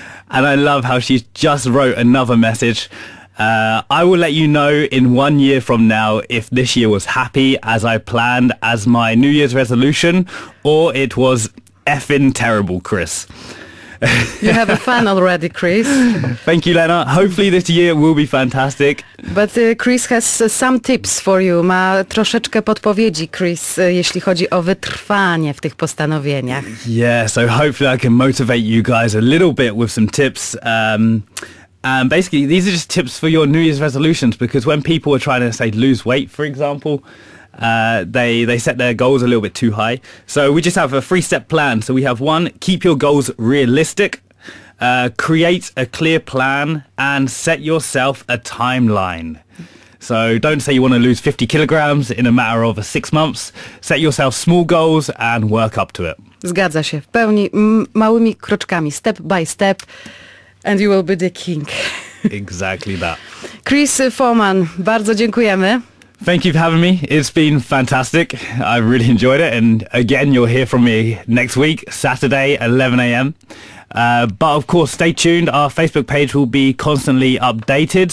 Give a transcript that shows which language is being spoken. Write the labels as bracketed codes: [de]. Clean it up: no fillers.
[en] And I love how she just wrote another message. I will let you know in 1 year from now if this year was happy as I planned as my New Year's resolution, or it was effing terrible, Chris. You have a fan already, Chris. Thank you, Lena. Hopefully this year will be fantastic. But Chris has some tips for you. [pl] Ma troszeczkę podpowiedzi, Chris, jeśli chodzi o wytrwanie w tych postanowieniach. [en] Yeah, so hopefully I can motivate you guys a little bit with some tips. And basically, these are just tips for your New Year's resolutions, because when people are trying to, say, lose weight, for example, they set their goals a little bit too high. So we just have a three-step plan. So we have one, keep your goals realistic, create a clear plan, and set yourself a timeline. So don't say you want to lose 50 kilograms in a matter of 6 months. Set yourself small goals and work up to it. [pl] Zgadza się. W pełni małymi kroczkami, [en] step by step. And you will be the king. Exactly that. [pl] Chris Foreman, bardzo dziękujemy. [en] Thank you for having me. It's been fantastic. I really enjoyed it. And again, you'll hear from me next week, Saturday, 11 a.m. But of course, stay tuned. Our Facebook page will be constantly updated.